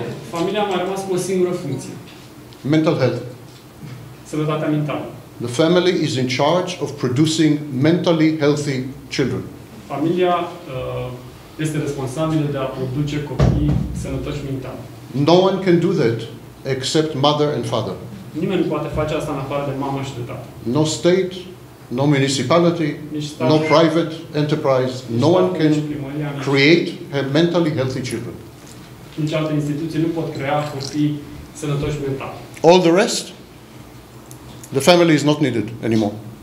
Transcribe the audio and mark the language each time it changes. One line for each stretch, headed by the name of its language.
Romanian: Familia mai rămas cu o singură funcție.
English: Mental health.
Romanian: Sănătatea mentală.
English: The family is in charge of producing mentally healthy children.
Romanian: Familia este responsabilă de a produce copii sănătoși mental.
English: No one can do that except mother and father.
Romanian: Nimeni nu poate face asta în afară de mamă și de tată.
English: No state, no municipality, state, no private enterprise, no one can create mentally healthy children.
Romanian: Nici alte instituții nu pot crea copii sănătoși mental.
English: All the rest, the family is not needed anymore.